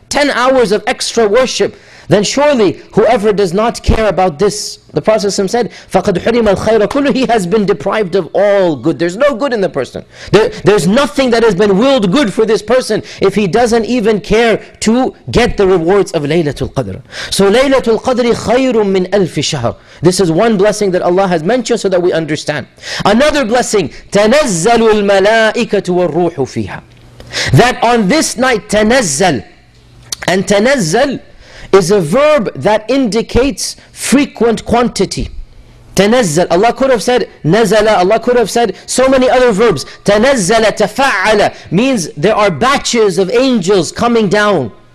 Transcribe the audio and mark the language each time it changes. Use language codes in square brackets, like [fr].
[en] 10 hours of extra worship. Then surely, whoever does not care about this, the Prophet ﷺ said, [ar] فَقَدْ حُرِمَ الْخَيْرَ كُلُّهُ. [en] He has been deprived of all good. There's no good in the person. There's nothing that has been willed good for this person if he doesn't even care to get the rewards of Laylatul Qadr. So Laylatul Qadr [ar] خَيْرٌ مِّنْ أَلْفِ شَهْرٍ. [en] This is one blessing that Allah has mentioned so that we understand. Another blessing, [ar] تَنَزَّلُ الْمَلَائِكَةُ وَالْرُوحُ فِيهَا. [en] That on this night, تَنَزَّلُ. And تَنَزَّلُ is a verb that indicates frequent quantity. [ar] تنزل. [en] Allah could have said نزل. Allah could have said so many other verbs. تنزل تفعل means there are batches of angels coming down.